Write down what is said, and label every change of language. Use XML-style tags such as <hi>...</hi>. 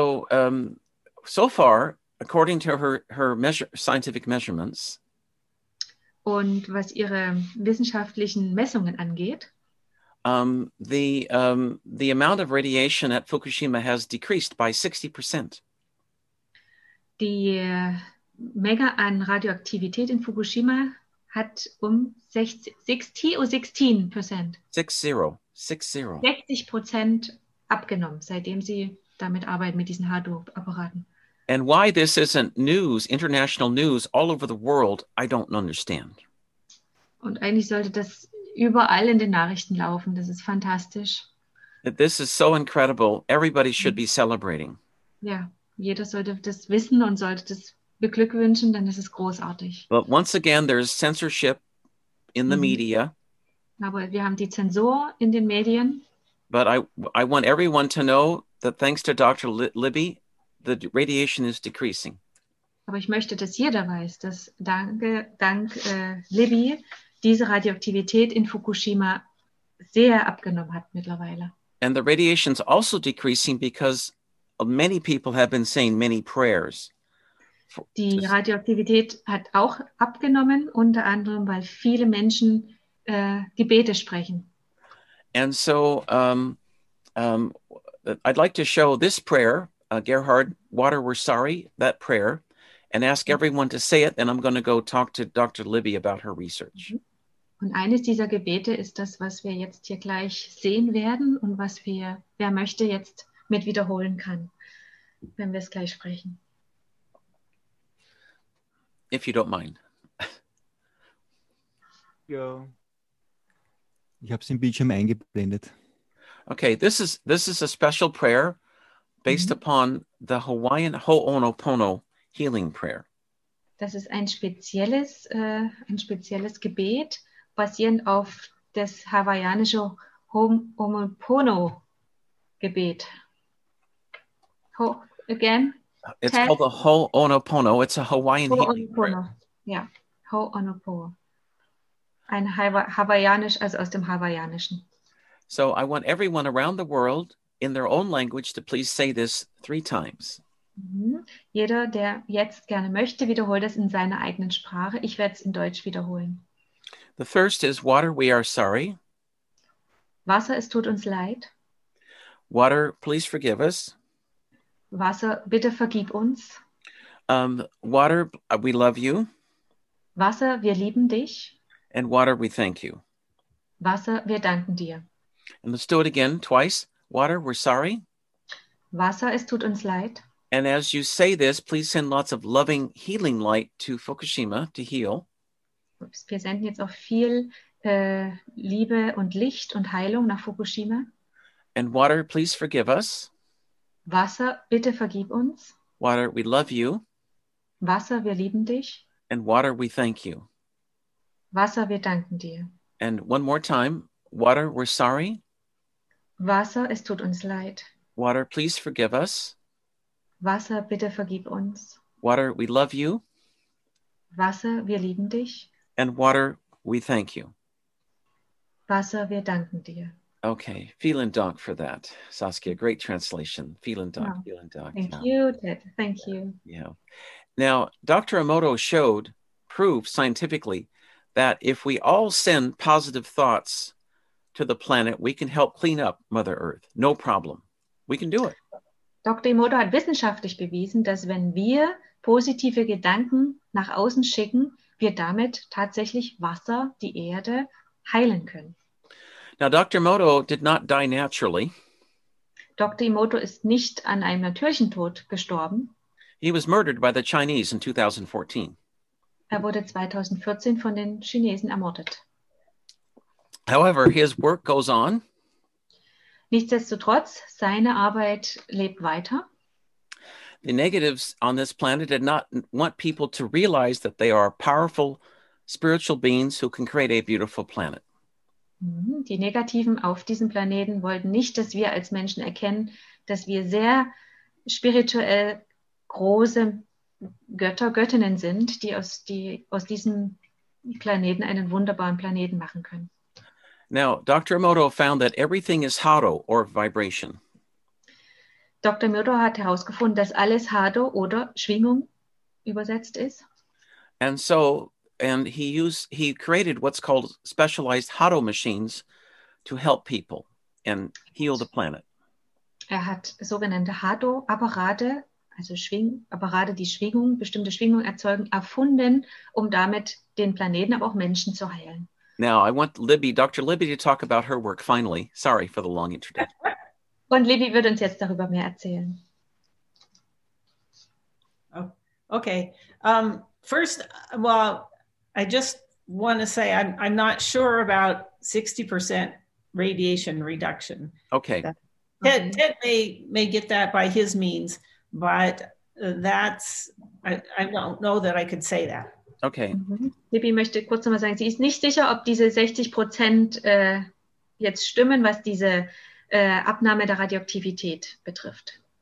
<en>So far, according to her scientific measurements.</en> <de>Und was ihre wissenschaftlichen Messungen angeht.</de> <en>The amount of radiation at Fukushima has decreased by 60%.</en> <de>Die Menge an Radioaktivität in Fukushima hat um 60% abgenommen, seitdem sie damit arbeiten, mit diesen Hado-Apparaten.</de> <en>And why this isn't news, international news, all over the world, I don't understand.</en> <de>Und eigentlich sollte das überall in den Nachrichten laufen. Das ist fantastisch.</de> <en>This is so incredible. Everybody should be celebrating.</en> <de>Ja, jeder sollte das wissen und sollte das beglückwünschen, denn es ist großartig.</de> <en>But once again, there's censorship in the media.</en> <de>Aber wir haben die Zensur in den Medien.</de> <en>But I want everyone to know that thanks to Dr. Libby, the radiation is decreasing.</en> <de>Aber ich möchte, dass jeder weiß, dass dank Libby diese Radioaktivität in Fukushima sehr abgenommen hat mittlerweile.</de> <en>And the radiation is also decreasing because many people have been saying many prayers.</en> <de>Die Radioaktivität hat auch abgenommen, unter anderem, weil viele Menschen Gebete sprechen.</de> <en>And so I'd like to show this prayer, Gerhard Water, we're sorry, that prayer, and ask everyone to say it, and I'm going to go talk to Dr. Libby about her research.</en> <de>Und eines dieser Gebete ist das, was wir jetzt hier gleich sehen werden und was wir, wer möchte, jetzt mit wiederholen kann, wenn wir es gleich sprechen.</de> <en>If you don't mind.</en> <de>Ja. Ich habe es im Bildschirm eingeblendet.</de> <en>Okay, this is a special prayer based upon the Hawaiian Ho'onopono healing prayer.</en> <de>Das ist ein spezielles Gebet basierend auf das hawaiianische Ho'onopono Gebet.</de> <en>again? It's called the Ho'onopono. It's a Hawaiian healing prayer. Yeah, Ho'onopono.</en> <de>Ein Hawaiianisch, also aus dem Hawaiianischen.</de> <en>So I want everyone around the world in their own language to please say this three times. Mm-hmm.</en> <de>Jeder, der jetzt gerne möchte, wiederholt es in seiner eigenen Sprache. Ich werde es in Deutsch wiederholen.</de> <en>The first is water, we are sorry.</en> <de>Wasser, es tut uns leid.</de> <en>Water, please forgive us.</en> <de>Wasser, bitte vergib uns.</de> <en>Water, we love you.</en> <de>Wasser, wir lieben dich.</de> <en>And water, we thank you.</en> <de>Wasser, wir danken dir.</de> <en>And let's do it again, twice. Water, we're sorry.</en> <de>Wasser, es tut uns leid.</de> <en>And as you say this, please send lots of loving, healing light to Fukushima to heal.</en> <de>Oops, wir senden jetzt auch viel Liebe und Licht und Heilung nach Fukushima.</de> <en>And water, please forgive us.</en> <de>Wasser, bitte vergib uns.</de> <en>Water, we love you.</en> <de>Wasser, wir lieben dich.</de> <en>And water, we thank you.</en> <de>Wasser, wir danken dir.</de> <en>And one more time, water, we're sorry.</en> <de>Wasser, es tut uns leid.</de> <en>Water, please forgive us.</en> <de>Wasser, bitte vergib uns.</de> <en>Water, we love you.</en> <de>Wasser, wir lieben dich.</de> <en>And water, we thank you.</en> <de>Wasser, wir danken dir.</de> <en>Okay,</en> <de>vielen Dank</de> <en>for that, Saskia. Great translation.</en> <de>Vielen Dank,</de> <en>yeah. Vielen Dank. Thank you, Ted. Thank you. Yeah. Now, Dr. Emoto showed proof scientifically that if we all send positive thoughts to the planet, we can help clean up Mother Earth. No problem. We can do it. Dr.</en> <de>Emoto hat wissenschaftlich bewiesen, dass wenn wir positive Gedanken nach außen schicken, wir damit tatsächlich Wasser, die Erde, heilen können.</de> <en>Now, Dr. Emoto did not die naturally.</en> <de>Dr. Emoto ist nicht an einem natürlichen Tod gestorben.</de> <en>He was murdered by the Chinese in 2014.</en> <de>Er wurde 2014 von den Chinesen ermordet.</de> <en>However, his work goes on.</en> <de>Nichtsdestotrotz, seine Arbeit lebt weiter.</de> <en>The negatives on this planet did not want people to realize that they are powerful spiritual beings who can create a beautiful planet.</en> <de>Die Negativen auf diesem Planeten wollten nicht, dass wir als Menschen erkennen, dass wir sehr spirituell große Götter, Göttinnen sind, die aus diesem Planeten einen wunderbaren Planeten machen können.</de> <en>Now, Dr. Emoto found that everything is hado or vibration.</en> <de>Dr. Emoto hat herausgefunden, dass alles hado oder Schwingung übersetzt ist.</de> <en>And so, and he created what's called specialized hado machines to help people and heal the planet.</en> <de>Er hat sogenannte hado-Apparate, also Apparate, die Schwingung, bestimmte Schwingung erzeugen, erfunden, um damit den Planeten, aber auch Menschen zu heilen.</de> <en>Now, I want Libby, Dr. Libby, to talk about her work, finally. Sorry for the long introduction.</en> <de>Und Libby wird uns jetzt darüber mehr erzählen.</de> <en>Okay. First, well, I just want to say I'm not sure about 60% radiation reduction. Okay. Ted may get that by his means, but that's, I don't know that I could say that. Okay. Mm-hmm.</en> <de>Libby möchte kurz nochmal sagen, sie ist nicht sicher, ob diese 60% jetzt stimmen, was diese Abnahme der Radioaktivität betrifft.</de>